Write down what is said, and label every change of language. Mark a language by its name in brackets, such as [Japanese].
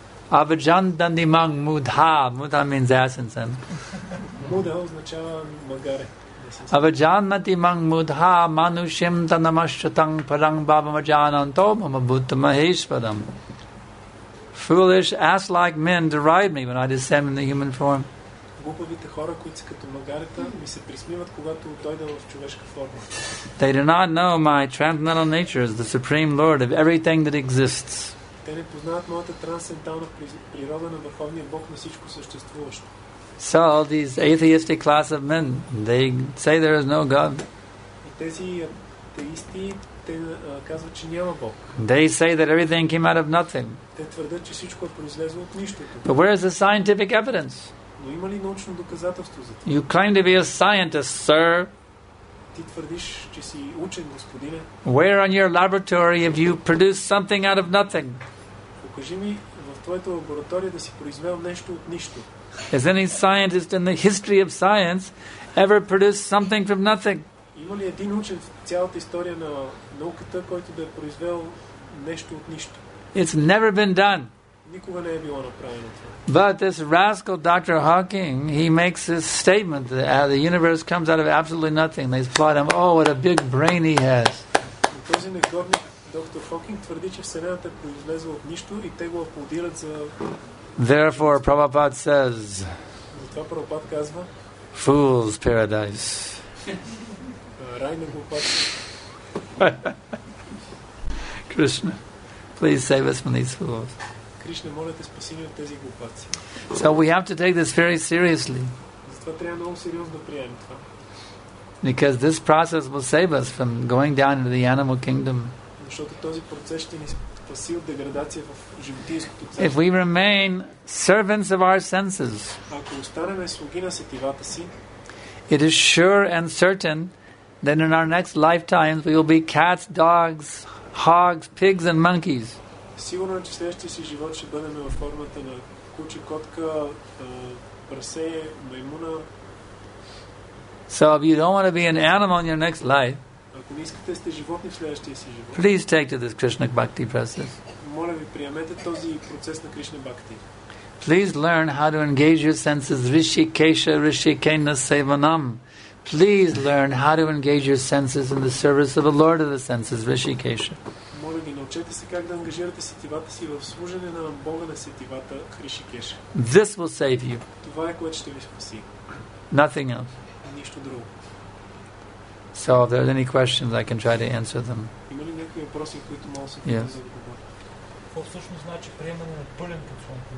[Sanskrit] Avajan dandimang mudha. [English] Mudha means ass in Sanskrit. [Bulgarian] Mudha означава magare. [Sanskrit] Avajan dandimang mudha manushim tanamashchatang parang babamajananto mamabhutta maheshvadam. [English] Foolish ass-like men deride me when I descend in the human form. [Bulgarian] Глупавите хора, които са като магарета, ми се присмиват, когато дойда в човешка форма. [English] They do not know my transcendental nature is the supreme lord of everything that exists. [Bulgarian] Те не познават моята трансцендентална природа на Върховния Бог на всичко съществуващо. [English] So all these atheistic class of men, they say there is no God. [Bulgarian] И тези атеисти, те казват, че няма Бог. [English] They say that everything came out of nothing. [Bulgarian] Те твърдят, че всичко е произлезло от нищото. [English] But where is the scientific evidence? [Bulgarian] Но има ли научно доказателство за това? [English] You claim to be a scientist, sir. [Bulgarian] Ти твърдиш, че си учен, господине. [English] Where in your laboratory have you produced something out of nothing? [Bulgarian] Покажи ми в твоята лаборатория да си произвел нещо от нищо. [English] Has any scientist in the history of science ever produced something from nothing? [Bulgarian] Има ли един учен в цялата история на науката, който да е произвел нещо от нищо? [English] It's never been done. [Bulgarian] Никога не е било направено това. [English] But this rascal Dr. Hawking, he makes this statement that the universe comes out of absolutely nothing. They applaud him. Oh, what a big brain he has. [Bulgarian] Този негодник Dr. Hawking твърди, че Вселената произлезла от нищо и те го аплодират за... [English] Therefore, Prabhupada says, [Bulgarian] затова Прабхупад казва, [English] fool's paradise. [Bulgarian] Рай на глупаци. [English] Krishna, please save us from these fools. [Bulgarian] Krishna, моля те, спаси ни от тези глупаци. [English] So we have to take this very seriously. [Bulgarian] Затова трябва много сериозно да приемем това. [English] Because this process will save us from going down into the animal kingdom. [Bulgarian] Защото този процес ще ни спаси от деградация в животинското царство. [English] If we remain servants of our senses, [Bulgarian] ако останем слуги на сетивата си, [English] it is sure and certain that in our next lifetimes we will be cats, dogs, hogs, pigs and monkeys. [Bulgarian] Сигурно е, че следващия си живот ще бъдем във формата на куче, котка, прасе, маймуна. [English] So if you don't want to be an animal in your next life, [Bulgarian] ако не искате сте животни в следващия си живот, [English] please take to this Krishna Bhakti process. [Bulgarian] Моля ви, приемете този процес на Кришна Бхакти. [English] Please learn how to engage your senses [Sanskrit] Rishikesha Rishikena Sevanam. [English] Please learn how to engage your senses in the service of the Lord of the Senses, Rishikesha. [Bulgarian] Моля ви, научете се как да ангажирате сетивата си в служене на Бога на сетивата, Ришикеша. [English] This will save you. [Bulgarian] Това е което ще ви спаси. [English] Nothing else. [Bulgarian] Нищо друго. [English] So if there are any questions, I can try to answer them. [Bulgarian] Има ли някакви въпроси, които мога да се [English] yes. [Bulgarian] Да какво всъщност значи приемане на пълен подход?